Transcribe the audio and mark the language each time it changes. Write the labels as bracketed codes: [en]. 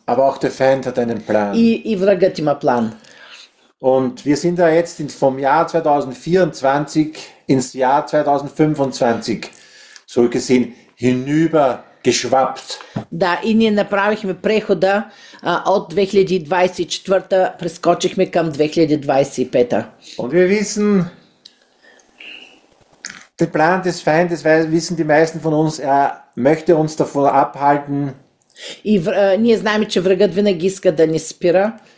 [de] Aber auch der Feind hat einen Plan. [bg] И врагът има план. [de] Und wir sind da jetzt vom Jahr 2024 ins Jahr 2025 so gesehen hinübergeschwappt. [bg] Да, и ние направихме прехода от 2024-та, прескочихме към 2025-та. [de] Und wir wissen, der Plan des Feindes, weil wissen die meisten von uns, er möchte uns davor abhalten, [bg] ние знаем, че врагът винаги иска да ни спира,